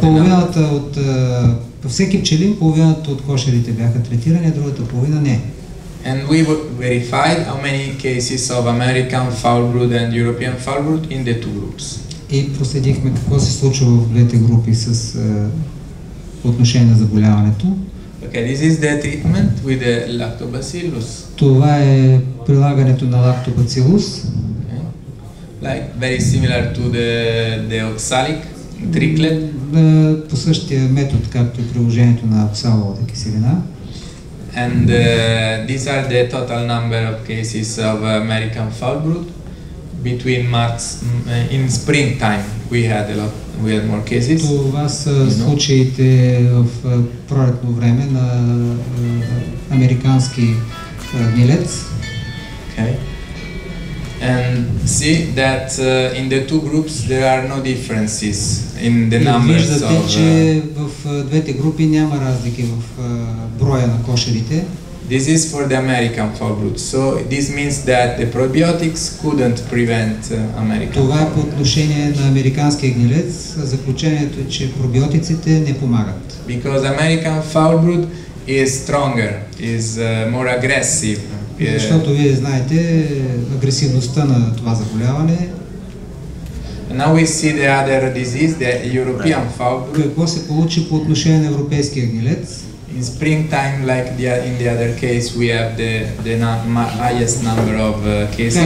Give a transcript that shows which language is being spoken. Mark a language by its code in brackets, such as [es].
[bg] половината от по всеки пчелин, половината от кошерите бяха третирани, другата половина не. [en] And we verified how many cases of American fowl brood and European fowl brood in the two groups. [bg] И проследихме какво се случва в двете групи с отношение на заболяването. [en] Okay, this is the treatment with the lactobacillus. [bg] Това е прилагането на лактобацилус. [en] Okay. Like very similar to the oxalic triclet. [bg] По същия метод, както и приложението на оксаловата киселина. [en] And these are the total number of cases of American fowl brood between March in springtime. We had more cases. [bg] Това са случаите в пролетно време на американски гнилец. [en] Okay. And see that in the two groups there are no differences in the numbers of. [bg] Виждате, че в двете групи няма разлики в броя на кошерите. [en] This is for the American fowl brood. So this means that the probiotics couldn't prevent American. [bg] Това е по отношение на американския гнилец, заключението е, че пробиотиците не помагат. [en] Because American fowl brood is stronger, is more aggressive. [bg] Защото вие знаете агресивността на това заболяване. [en] Now we see the other disease, the European fowl brood. [bg] Какво се получи по отношение на европейския гнилец? [en] In springtime, like in the other case, we have the highest number of cases.